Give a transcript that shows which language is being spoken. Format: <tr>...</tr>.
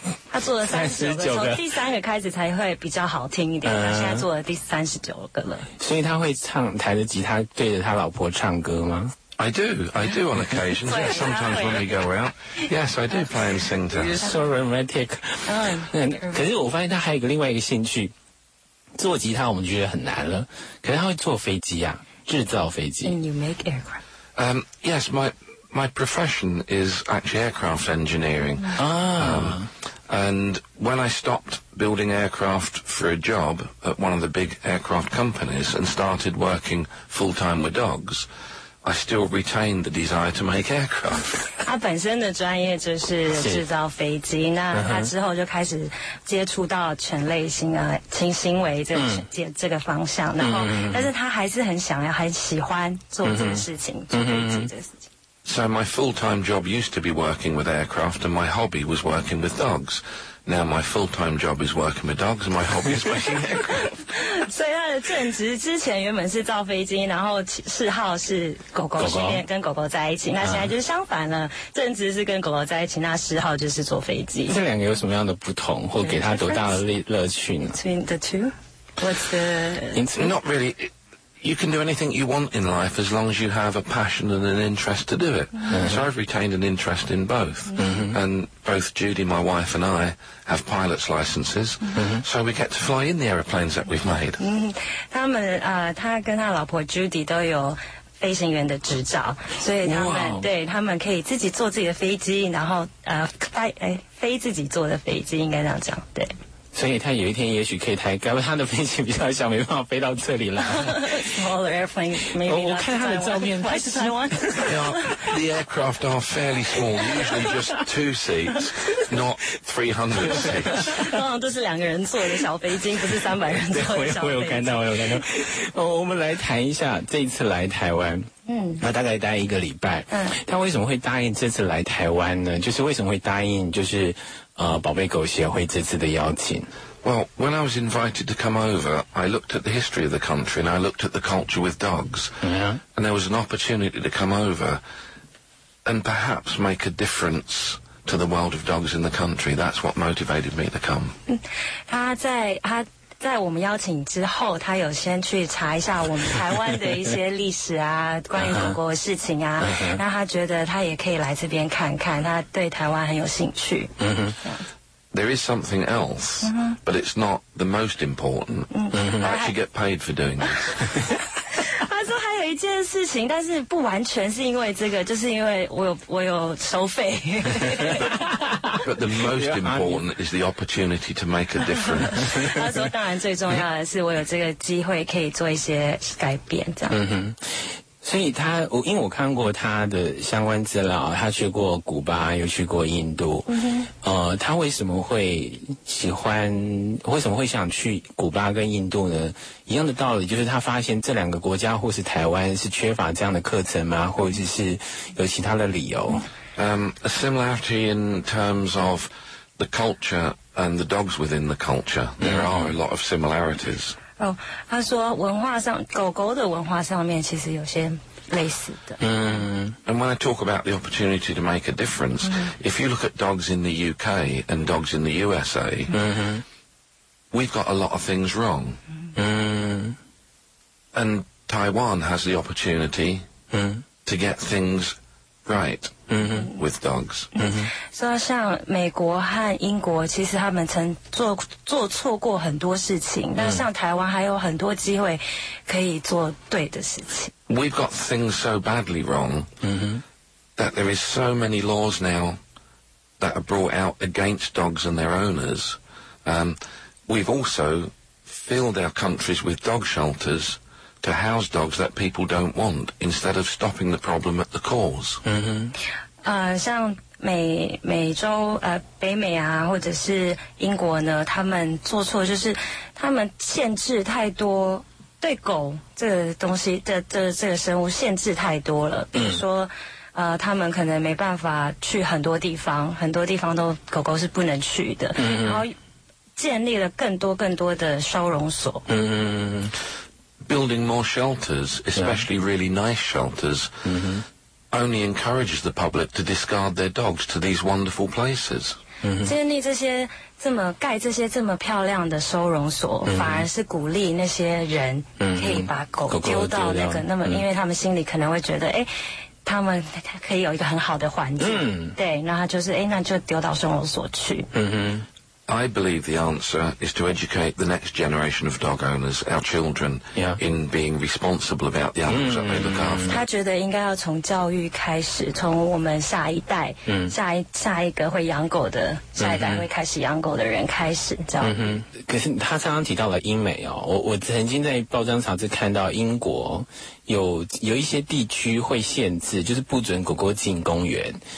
<zh>他做了39个，从第三个开始才会比较好听一点。他现在做了第39个了。所以他会唱，抬着吉他对着他老婆唱歌吗？</zh> <en>I do on occasion. Yes, sometimes when we go out. Yes, I do play and sing to her. You're so romantic.</en> <zh>可是我发现他还有个另外一个兴趣，做吉他我们觉得很难了，可是他会做飞机啊，制造飞机。</zh> <en>And you make aircraft. Yes, my profession is actually aircraft engineering. And when I stopped building aircraft for a job at one of the big aircraft companies and started working full-time with dogs,I still retain the desire to make aircraft.</en> <zh>他本身的专业就是制造飞机，那他之后就开始接触到犬类型啊、轻型为这个方向，然后但是他还是很想要、很喜欢做这个事情，做飞机这个事情。</zh> <en>So my full-time job used to be working with aircraft, and my hobby was working with dogs. Now my full-time job is working with dogs, and my hobby is making aircraft.</en> <zh>所以他的正职之前原本是造飞机，然后嗜好是狗狗训练，跟狗狗在一起。那现在就是相反了，正职是跟狗狗在一起，那嗜好就是坐飞机。这两个有什么样的不同，或给他多大的乐趣呢？</zh> <en>Between the two, what's the interest? Not really. You can do anything you want in life as long as you have a passion and an interest to do it.、Mm-hmm. So I've retained an interest in both.、Mm-hmm. And both Judy, my wife, and I have pilot's licenses.、Mm-hmm. So we get to fly in the aeroplanes that we've made.</en> <zh>他们他跟他老婆 Judy 都有飞行员的执照，所以他们、wow. 对他们可以自己坐自己的飞机，然后飞自己坐的飞机，应该这样讲，对。所以他有一天也许可以抬，因为他的飞机比较小，没办法飞到这里来。</zh> <en>Smaller airplane, maybe.</en> <zh>我看他的照片，他是</zh> <en>Taiwan. The aircraft are fairly small, usually just two seats, not 300 seats.</en> <zh>通常都是两个人坐的小飞机，不是300人坐的小飞机。对，我有看到。我们来谈一下这一次来台湾。嗯，那大概待一个礼拜。嗯，他为什么会答应这次来台湾呢？就是为什么会答应，就是宝贝狗协会这次的邀请。</zh> <en>Well, when I was invited to come over, I looked at the history of the country and I looked at the culture with dogs. Yeah. And there was an opportunity to come over and perhaps make a difference. To the world of dogs in the country. That's what motivated me to come.</en> <zh>他在他在我们邀请之后，他有先去查一下我们台湾的一些历史啊，关于祖国的事情啊。那他觉得他也可以来这边看看，他对台湾很有兴趣。嗯哼。</zh> <en>There is something else, but it's not the most important. I actually get paid for doing this.</en> <zh>他说还有一件事情，但是不完全是因为这个，就是因为我有收费。</zh> <en>But the most important is the opportunity to make a difference.</en> <zh>他说当然最重要的是我有这个机会可以做一些改变，这样。所以他，因为我看过他的相关资料，他去过古巴，又去过印度。他为什么会喜欢，为什么会想去古巴跟印度呢？一样的道理，就是他发现这两个国家或是台湾是缺乏这样的课程吗？或者是有其他的理由？</zh> <en>A similarity in terms of the culture and the dogs within the culture. There are a lot of similarities.</en> <zh>他说文化上狗狗的文化上面其实有些类似的。</zh> <en>And when I talk about the opportunity to make a difference, if you look at dogs in the UK and dogs in the USA, we've got a lot of things wrong. And Taiwan has the opportunity to get things right with dogs.</en> <zh>说像美国和英国其实他们曾做错过很多事情，但像台湾还有很多机会可以做对的事情。</zh> <en>We've got things so badly wrong that there is so many laws now that are brought out against dogs and their owners. We've also filled our countries with dog shelters to house dogs that people don't want instead of stopping the problem at the cause.</en> <zh>像美洲北美啊，或者是英国呢，他们做错就是他们限制太多，对狗这个东西的这个生物限制太多了。比如说他们可能没办法去很多地方，很多地方都狗狗是不能去的。然后建立了更多的收容所。</zh> <en>Building more shelters, especially really nice shelters, only encourages the public to discard their dogs to these wonderful places.</en> <zh>建立这么漂亮的收容所，反而是鼓励那些人可以把狗丢到那个，那么因为他们心里可能会觉得，哎，他们可以有一个很好的环境，对，那他就是，哎，那就丢到收容所去。</zh> <en>I believe the answer is to educate the next generation of dog owners, our children, in being responsible about the animals that they look after.</en> <zh>他觉得应该要从教育开始，从我们下一代，下一个会养狗的，下一代会开始养狗的人开始教育。可是他刚刚提到了英美哦，我曾经在报章杂志看到英国有一些地区会限制，就是不准狗狗进公园。</zh>